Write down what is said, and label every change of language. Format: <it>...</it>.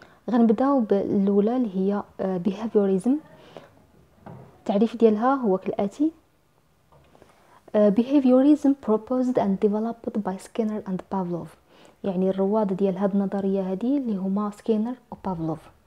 <ar>غنبداو بالأولى اللي هي behaviorism. التعريف ديالها هو كالآتي:</ar> <en>behaviorism proposed and developed by Skinner and Pavlov.</en> <ar>يعني الرواد ديال هاد النظرية هادي اللي هما سكينر وبافلوف.</ar>